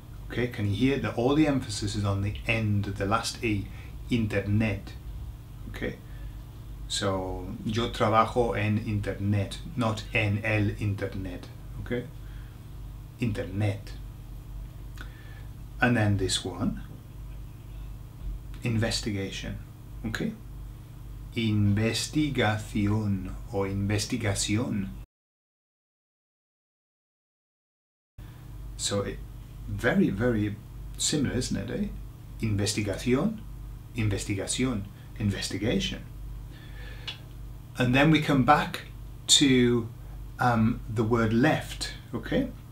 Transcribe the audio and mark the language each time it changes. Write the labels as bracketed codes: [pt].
[en] Okay, can you hear that all the emphasis is on the end of the last E, internet, okay? [es] So, yo trabajo en internet, not en el internet, okay? Internet. [en] And then this one, investigation, okay? [es] Investigación o investigación. [en] So, very, very similar, isn't it, eh? [es] Investigación, investigación, investigation. [en] And then we come back to the word left, okay?